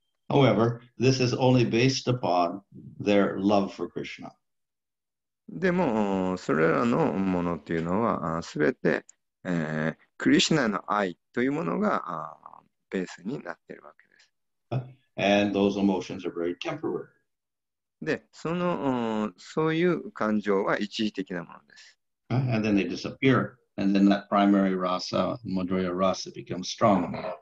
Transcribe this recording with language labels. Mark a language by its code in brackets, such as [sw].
[en] However, this is only based upon their love for Krishna. [ja] でも、それらのものっていうのは、すべて、クリシナの愛というものが、ベースになっているわけです。 [en] And those emotions are very temporary. [ja] で、その、そういう感情は一時的なものです。 [en] And then they disappear. And then that primary rasa, Madhurya rasa, becomes strong.